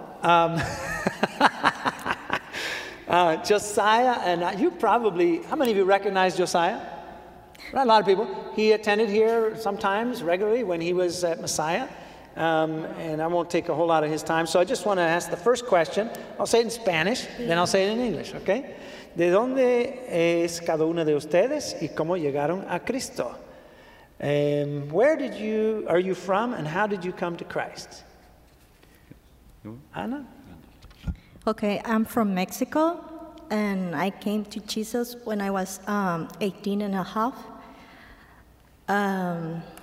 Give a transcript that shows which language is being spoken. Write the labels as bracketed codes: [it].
[en] Josiah and I, how many of you recognize Josiah? Not a lot of people. He attended here sometimes regularly when he was at Messiah, and I won't take a whole lot of his time. So I just want to ask the first question. I'll say it in Spanish, then I'll say it in English, okay? [es] ¿De dónde es cada uno de ustedes y cómo llegaron a Cristo? [en] Where did you are you from and how did you come to Christ? Ana? Okay, I'm from Mexico and I came to Jesus when I was 18 and a half.